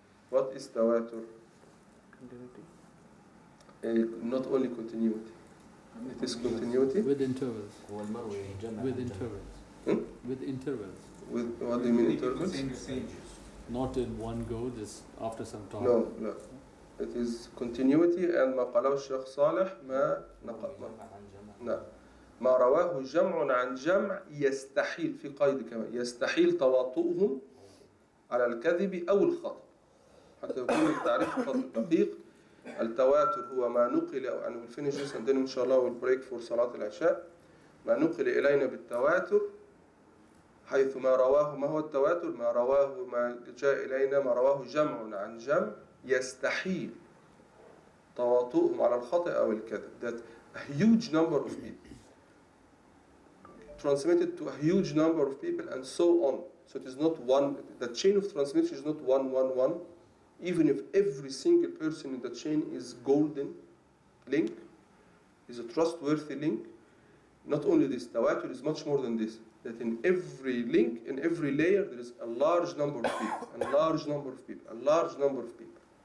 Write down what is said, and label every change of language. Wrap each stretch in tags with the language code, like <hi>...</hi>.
<en>What is tawatur? Continuity. Not only continuity. It is continuity. With intervals. With intervals. With intervals. With what do you mean intervals? Not in one go, just after some time. No, no. It is continuity, and</en> <ar>ما قاله الشيخ صالح ما نقل. جمع عن جمع. نعم. ما رواه جمع عن جمع يستحيل في قيد كمان يستحيل تواطؤهم على الكذب أو الخطأ. حتى يكون التعريف قد دقيق. التواتر هو ما نقل أو أنا بالفينيش عندنا إن شاء الله والبريك فور صلاة العشاء ما نقل إلينا بالتواتر حيث ما رواه ما هو التواتر ما رواه ما جاء إلينا ما رواه جمع عن جمع يستحيل تواطؤهم على الخطأ أو الكذب.</ar> <en>That a huge number of people transmitted to a huge number of people and so on. So it is not one. The chain of transmission is not one one one. Even if every single person in the chain is golden link, is a trustworthy link, not only this, tawatur is much more than this, that in every link, in every layer, there is a large number of people, a large number of people, a large number of people.</en>